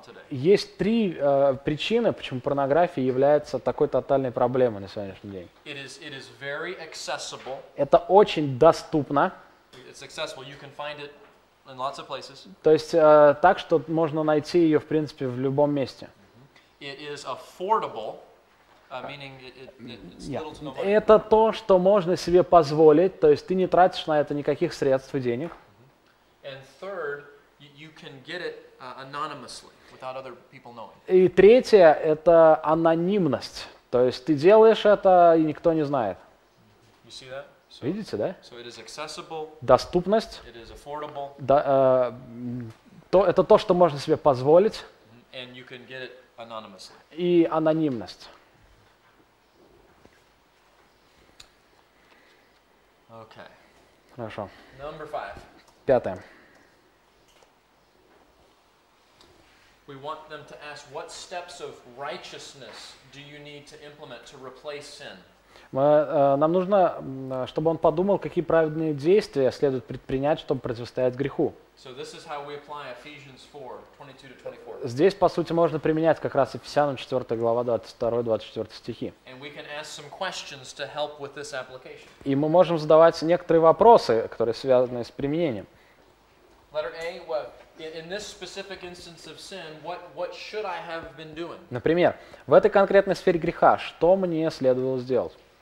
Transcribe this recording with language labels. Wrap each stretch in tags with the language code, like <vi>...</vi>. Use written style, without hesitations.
<ru>Есть три причины, почему порнография является такой тотальной проблемой на сегодняшний день.</ru> <en>It is very accessible.</en> <ru>Это очень доступно.</ru> <en>It's accessible. You can find it in lots of places.</en> <ru>То есть так, что можно найти ее, в принципе, в любом месте.</ru> <en>It is affordable. Meaning it's little to no money.</en> <ru>Это то, что можно себе позволить, то есть ты не тратишь на это никаких средств и денег.</ru> <en>And third, you can get it anonymously, without other people knowing.</en> <ru>И третье – это анонимность, то есть ты делаешь это, и никто не знает.</ru> <en>You see that?</en> <ru>Видите, да?</ru> <en>So it is accessible,</en> <ru>доступность.</ru> <en>It is affordable.</en> <ru>Да, это то, что можно себе позволить.</ru> <en>And you can get it anonymously.</en> <ru>И анонимность.</ru> <en>Okay.</en> <ru>Хорошо.</ru> <en>Number five.</en> <ru>Пятое.</ru> <en>We want them to ask, what steps of righteousness do you need to implement to replace sin?</en> <ru>Нам нужно, чтобы он подумал, какие праведные действия следует предпринять, чтобы противостоять греху.</ru> <en>So this is how we apply Ephesians 4, 22-24.</en> <ru>Здесь, по сути, можно применять как раз Ефесянам 4 глава, 22-24 стихи.</ru> <en>And we can ask some questions to help with this application.</en> <ru>И мы можем задавать некоторые вопросы, которые связаны с применением.</ru> <en>Letter A, what? In this specific instance of sin, what should I have been doing?</en> <ru>Например, в этой конкретной сфере греха, что мне следовало сделать?</ru>